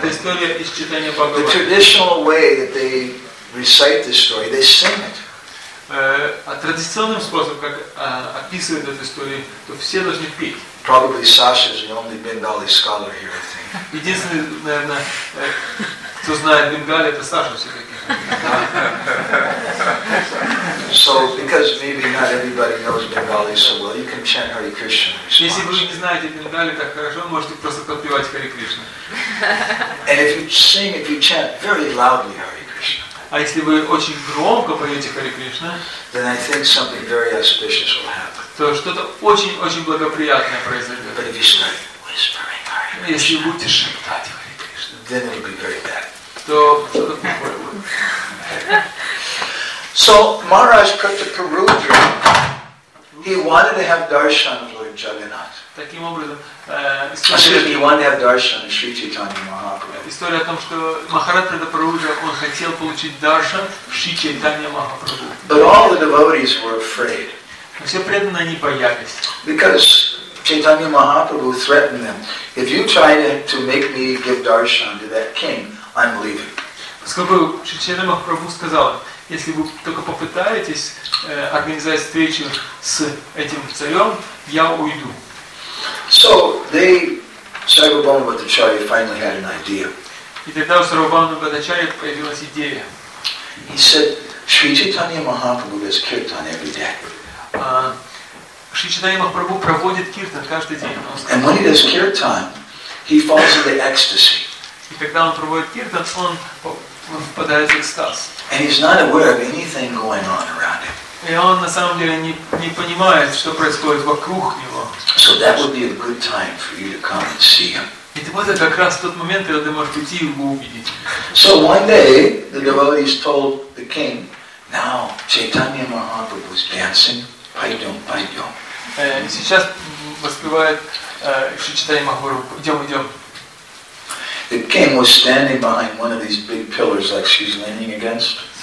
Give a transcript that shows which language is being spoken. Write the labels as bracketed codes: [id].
[en] The traditional way that they recite this story, they sing it. [ru] А традиционным способом, как описывают эту историю, то все должны петь. [en] Probably Sasha is the only Bengali scholar here, I think. [ru] Единственный, наверное, кто знает Бенгали, это Саша все-таки. [en] So, because maybe not everybody knows Bengali so well, you can chant Hare Krishna. [ru] Если вы не знаете Бенгали так хорошо, можете просто подпевать Хари Кришна. [en] And if you sing, if you chant very loudly Hare Krishna. [ru] А если вы очень громко поете Хари Кришна, [en] then I think something very auspicious will happen. [ru] То что-то очень очень благоприятное произойдет. [en] But if you start whispering Hare Krishna, [ru] если вы будете шептать Хари Кришна, [en] then it'll be very bad. [ru] То что-то плохое будет. [en] So Maharaj Pratapurudra, he wanted to have darshan of Lord Jagannath. [ru] Таким образом, [en] he wanted to have darshan of Sri Chaitanya Mahaprabhu. [ru] История о том, что Махарад Пратапурудра он хотел получить даршан в Шри Чайтанья Махапрабху. [en] But all the devotees were afraid. [ru] Все преданные они боялись. [en] Because Chaitanya Mahaprabhu threatened them, if you try to make me give darshan to that king, I'm leaving. [ru] Поскольку Шри Чайтанья Махапрабху сказал, если вы только попытаетесь организовать встречу с этим царем, я уйду. [en] So they, Sarvabhauma Bhattacharya finally had an idea. [ru] И тогда у Сарвабхаумы Бхаттачарьи появилась идея. [en] He said, Шри Чайтанья Махапрабху does киртан every day. [ru] Шри Чайтанья Махапрабху проводит киртан каждый день. [en] And when he does киртан, he falls into ecstasy. [ru] И когда он проводит киртан, он впадает в экстаз. [en] And he's not aware of anything going on around him. [ru] И он на самом деле не понимает, что происходит вокруг него. [en] So that would be a good time for you to come and see him. [ru] И это как раз тот момент, когда ты можешь прийти и его увидеть. [en] So one day the devotees told the king, now Chaitanya Mahaprabhu was dancing, [ru] пойдем, пойдем. Сейчас воспевает Шри Чайтанья Махапрабху, идем, идем. [en] The king was standing behind one of these big pillars like she's leaning against.